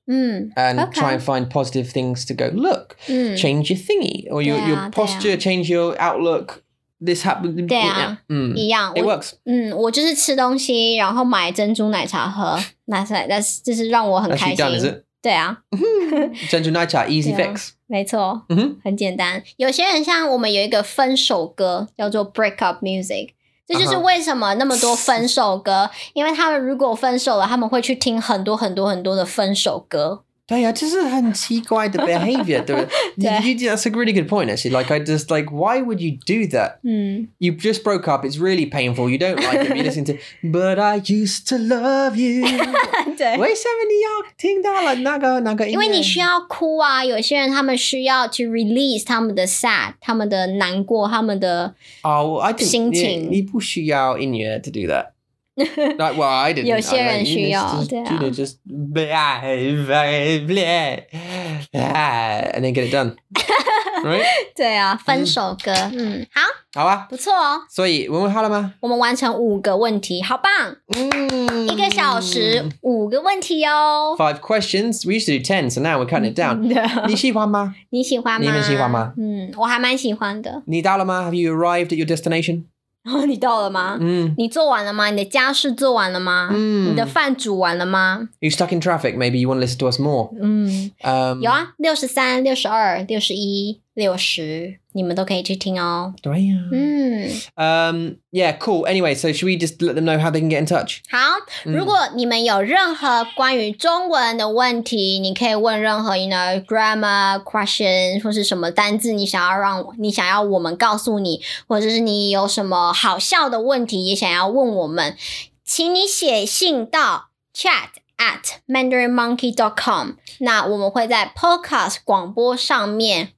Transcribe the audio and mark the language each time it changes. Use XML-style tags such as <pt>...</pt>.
<en>And try and find positive things to go. Look, change your thingy or your posture, change your outlook. This happened.</en> <zh>对啊，嗯，一样。</zh> <en>It works.</en> <zh>嗯，我就是吃东西，然后买珍珠奶茶喝。 That's 就是让我很开心。对啊，珍珠奶茶 easy fix，没错，很简单。有些人像我们有一个分手歌叫做</zh> <en>break up music，</en> <zh>这就是为什么那么多分手歌，因为他们如果分手了，他们会去听很多很多很多的分手歌。对啊，这是很奇怪的 behavior， 对吧？对 ，</zh> <en>That's a really good point. Actually, like I just like why would you do that？嗯，You just broke up. It's really painful. You don't like it. You listen to But I used to love you.</en> <zh>对，为什么你要听到了那个？因为你需要哭啊。有些人他们需要</zh> <en>to release</en> <zh>他们的 sad， 他们的难过，他们的</zh> <en>哦，</en> <zh>心情。</zh> <en>Oh, I think</en> <zh>你不需要音乐</zh> <en>to do that。 Like, well, I didn't.</en> <zh>有些人需要，对啊。</zh> <en>You know, just blah blah blah, and then get it done, right?</en> <zh>对啊，分手歌，嗯，好，好啊，不错哦。所以问问好了吗？我们完成五个问题，好棒！嗯，一个小时五个问题哦。</zh> <en>Five questions. We used to do ten, so now we're cutting it down.</en> <zh>你喜欢吗？你喜欢吗？你们喜欢吗？嗯，我还蛮喜欢的。你到了吗 ？</zh> <en>Have you arrived at your destination?</en> <zh>你到了吗？嗯，你做完了吗？你的家事做完了吗？嗯，你的饭煮完了吗</zh> <en>？You stuck in traffic? Maybe you want to listen to us more.</en> <zh>嗯，有啊，63, 62, 61, 60，你们都可以去听哦。对呀。嗯。</zh> <en>Yeah, cool. Anyway, so should we just let them know how they can get in touch?</en> <zh>好，如果你们有任何关于中文的问题，你可以问任何</zh> <en>you know grammar questions</en> <zh>或是什么单字，你想要我们告诉你，或者是你有什么好笑的问题也想要问我们，请你写信到 chat@mandarinmonkey.com， 那我们会在 podcast 广播上面。</zh>